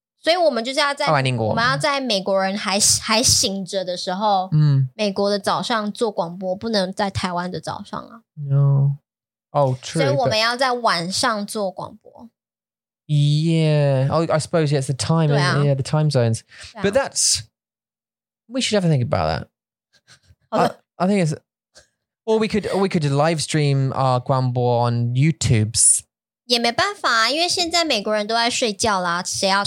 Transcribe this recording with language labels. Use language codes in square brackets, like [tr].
[zh] 所以我们就是要在，我们要在美国人还醒着的时候， 美国的早上做广播， 不能在台湾的早上啊。 [en] No. Oh, true. [zh] 所以我们要在晚上做广播。 [en] Yeah, I suppose yeah, it's the time, isn't it? Yeah, the time zones. But that's, we should have a think about that. I think it's, or we could live stream our Guangbo on YouTube. [zh] 也没办法，因为现在美国人都在睡觉啦，谁要看？